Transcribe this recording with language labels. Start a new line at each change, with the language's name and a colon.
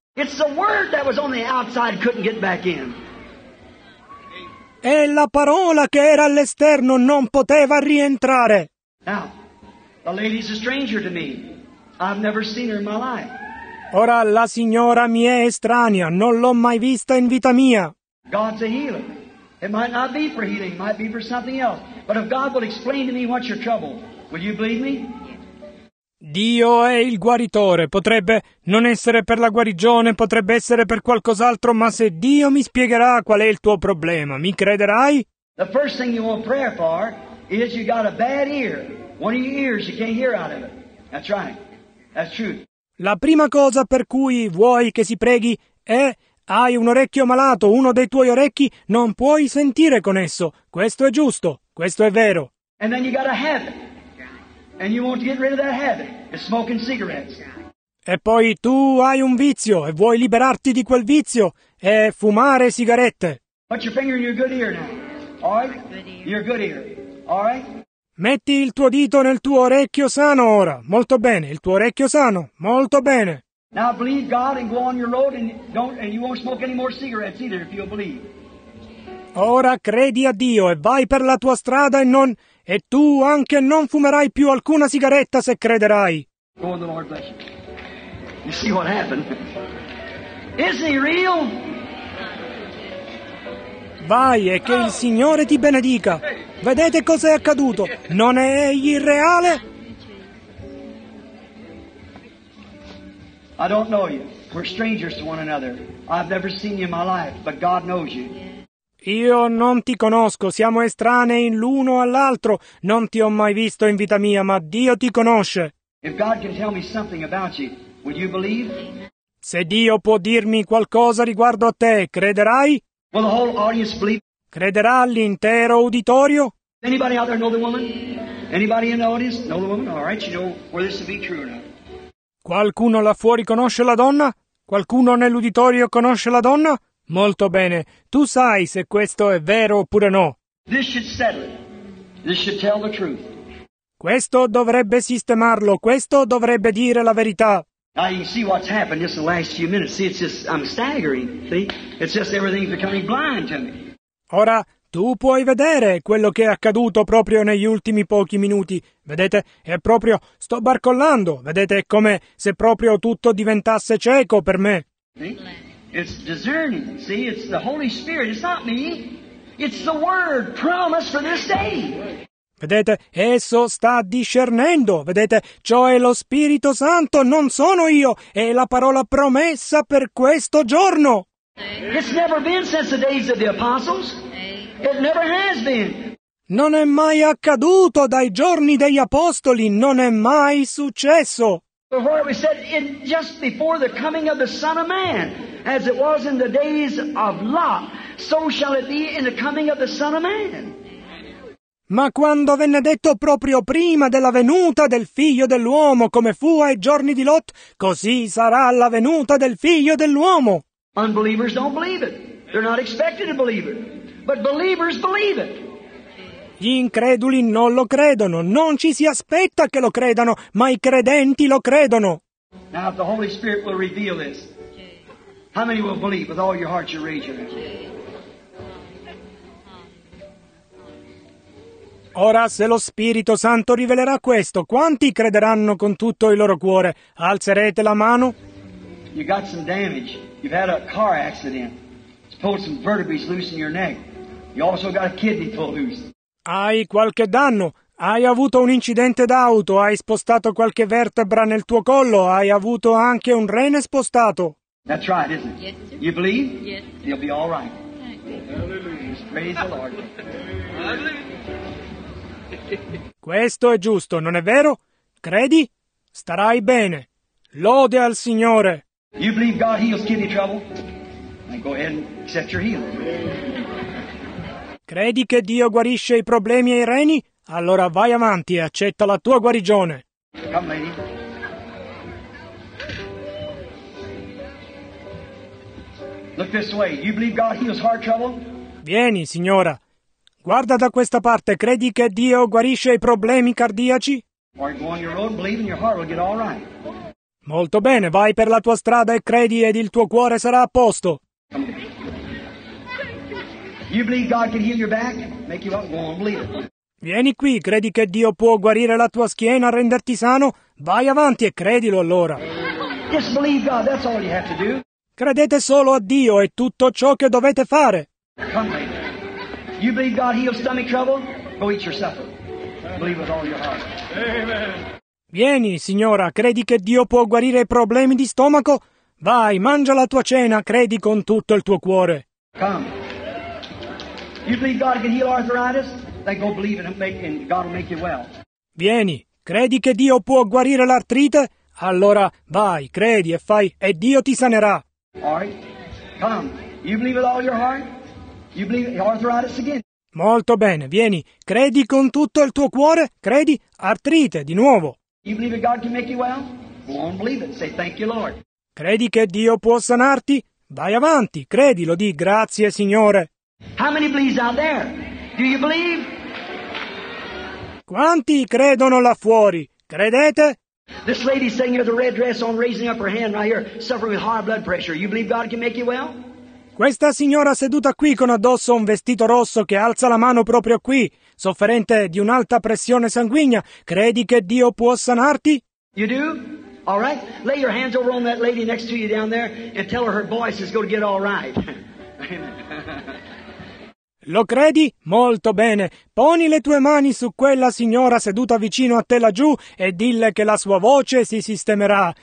English: It's the word that was on the outside, couldn't get back in.
Italian: È la parola che era all'esterno, non poteva rientrare.
English: Now, The lady's a stranger to me. I've never seen her in my life. Ora la signora mi è estranea, non l'ho mai vista in vita mia. God's a healer. It might not be for healing, it might be for something else. But if God will explain to me what's your trouble, will you believe me?
Italian: Dio è il guaritore. Potrebbe non essere per la guarigione, potrebbe essere per qualcos'altro, ma se Dio mi spiegherà qual è il tuo problema, mi crederai?
English: The first thing you want prayer for is you got a bad ear. One of your ears you can't hear out of it. That's right. That's true.
Italian: La prima cosa per cui vuoi che si preghi è hai un orecchio malato, uno dei tuoi orecchi non puoi sentire con esso. Questo è giusto, questo è vero.
English: And then you got a habit. And you want to get rid of that habit. It's smoking cigarettes.
Italian: E poi tu hai un vizio e vuoi liberarti di quel vizio e fumare sigarette.
English: Put your finger in your good ear now. All right? Your good ear. All right?
Italian: Metti il tuo dito nel tuo orecchio sano ora. Molto bene, il tuo orecchio sano. Molto bene.
English: Now believe God and go on your road and you won't smoke any more cigarettes either if you'll believe.
Italian: Ora credi a Dio e vai per la tua strada e tu anche non fumerai più alcuna sigaretta se crederai.
English: Go on, the Lord bless you. You see what happened? Is he real?
Italian: Vai e che il Signore ti benedica. Vedete cos'è accaduto? Non è egli reale?
English: I don't know you. We're strangers to one another. I've never seen you in my life, but God knows you.
Italian: Io non ti conosco, siamo estranei l'uno all'altro. Non ti ho mai visto in vita mia, ma Dio ti conosce.
English: If God can tell me something about you, would you believe?
Italian: Se Dio può dirmi qualcosa riguardo a te, crederai?
English: Will the whole audience believe?
Italian: Crederà l'intero uditorio?
English: Anybody out there know the woman? Anybody in the audience know the woman? All right, you know where this will be true or not.
Italian: Qualcuno là fuori conosce la donna? Qualcuno nell'uditorio conosce la donna? Molto bene. Tu sai se questo è vero oppure no.
English: This should settle it. This should tell the truth.
Italian: Questo dovrebbe sistemarlo. Questo dovrebbe dire la verità.
English: Now you see what's happened just the last few minutes. See, it's just, I'm staggering. See? It's just everything's becoming blind to me.
Italian: Ora, tu puoi vedere quello che è accaduto proprio negli ultimi pochi minuti. Vedete, è proprio, sto barcollando. Vedete, è come se proprio tutto diventasse cieco per me.
English: It's discerning, see, it's the Holy Spirit, it's not me. It's the word promised for this day.
Italian: Vedete, esso sta discernendo, vedete, ciò è lo Spirito Santo, non sono io, è la parola promessa per questo giorno.
English: It's never been since the days of the apostles. It never has been.
Italian: Non è mai accaduto dai giorni degli apostoli, non è mai successo.
English: Before we said it just before the coming of the Son of Man, as it was in the days of Lot, so shall it be in the coming of the Son of Man.
Italian: Ma quando venne detto proprio prima della venuta del Figlio dell'uomo, come fu ai giorni di Lot, così sarà la venuta del Figlio dell'uomo.
English: Unbelievers don't believe it. They're not expected to believe it. But believers believe it.
Italian: Gli increduli non lo credono. Non ci si aspetta che lo credano, ma i credenti lo credono.
English: Now the Holy Spirit will reveal this. How many will believe with all your heart you raise your hand?
Italian: Ora se lo Spirito Santo rivelerà questo, quanti crederanno con tutto il loro cuore? Alzerete la mano?
English: You got some damage. You've had a car accident. It's pulled some vertebrae loose in your neck. You also got a kidney pulled loose.
Italian: Hai qualche danno? Hai avuto un incidente d'auto? Hai spostato qualche vertebra nel tuo collo? Hai avuto anche un rene spostato?
English: That's right, isn't it? Yes, sir. You believe? Yes. You'll be all right. Hallelujah. Praise the Lord. Hallelujah.
Italian: Questo è giusto, non è vero? Credi? Starai bene. Lode al Signore.
English: You believe God heals kidney trouble? Then go ahead and accept your healing.
Italian: Credi che Dio guarisce i problemi ai reni? Allora vai avanti e accetta la tua guarigione.
English: Come, lady. Look this way. You believe God heals heart trouble?
Italian: Vieni, signora. Guarda da questa parte. Credi che Dio guarisce i problemi cardiaci?
English: Or go on your road, believe and your heart will get all right.
Italian: Molto bene. Vai per la tua strada e credi ed il tuo cuore sarà a posto.
English: You believe God can heal your back? Make you up? Go on, believe it.
Italian: Vieni qui, credi che Dio può guarire la tua schiena, renderti sano? Vai avanti e credilo allora.
English: Just believe God, that's all you have to do.
Italian: Credete solo a Dio, è tutto ciò che dovete fare.
English: Come on. You believe God heals stomach trouble? Go eat your supper. Believe with all your heart. Amen.
Italian: Vieni, signora, credi che Dio può guarire i problemi di stomaco? Vai, mangia la tua cena, credi con tutto il tuo cuore.
English: Come. You believe God can heal arthritis? Then go believe it and God will make you well.
Italian: Vieni, credi che Dio può guarire l'artrite? Allora vai, credi e fai, e Dio ti sanerà.
English: All right. Come. You believe with all your heart? You believe arthritis again?
Italian: Molto bene, vieni, credi con tutto il tuo cuore? Credi, artrite, di nuovo.
English: You believe that God can make you well? Go on, believe it. Say thank you, Lord.
Italian: Credi che Dio può sanarti? Vai avanti, credilo, di grazie, Signore.
English: How many believes out there? Do you believe?
Italian: Quanti credono là fuori? Credete?
English: This lady saying here, the red dress on, raising up her hand right here, suffering with high blood pressure. You believe God can make you well?
Italian: Questa signora seduta qui con addosso un vestito rosso che alza la mano proprio qui, sofferente di un'alta pressione sanguigna, credi che Dio può sanarti?
English: You do? All right. Lay your hands over on that lady next to you down there and tell her her voice is going to get all right.
Italian: Lo credi? Molto bene. Poni le tue mani su quella signora seduta vicino a te laggiù e dille che la sua voce si sistemerà.